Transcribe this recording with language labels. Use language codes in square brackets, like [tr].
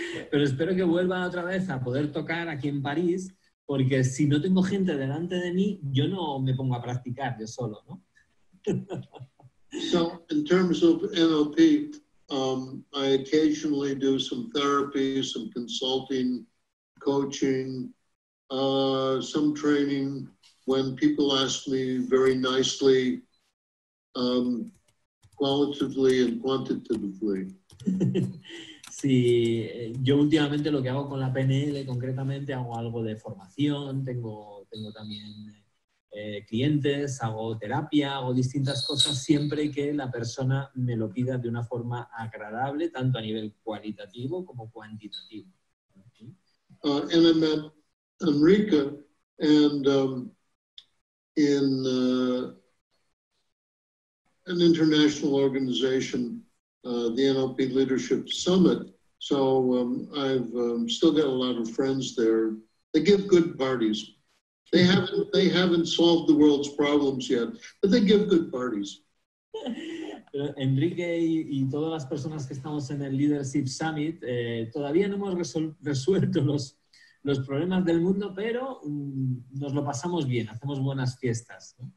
[es] Pero espero que vuelva otra vez a poder tocar aquí en París, porque si no tengo gente delante de mí, yo no me pongo a practicar yo solo, ¿no? [en] So, in terms of NLP, I occasionally do some therapy, some consulting, coaching, some training when people ask me very nicely, qualitatively and quantitatively. [es] Sí, yo últimamente lo que hago con la PNL, concretamente, hago algo de formación, tengo también clientes, hago terapia, hago distintas cosas, siempre que la persona me lo pida de una forma agradable, tanto a nivel cualitativo como cuantitativo. [en] And I met Enrique, and in an international organization, the NLP Leadership Summit. So I've still got a lot of friends there. They give good parties. They haven't solved the world's problems yet, but they give good parties. [es] Enrique y todas las personas que estamos en el Leadership Summit, todavía no hemos resuelto los problemas del mundo, pero nos lo pasamos bien, hacemos buenas fiestas.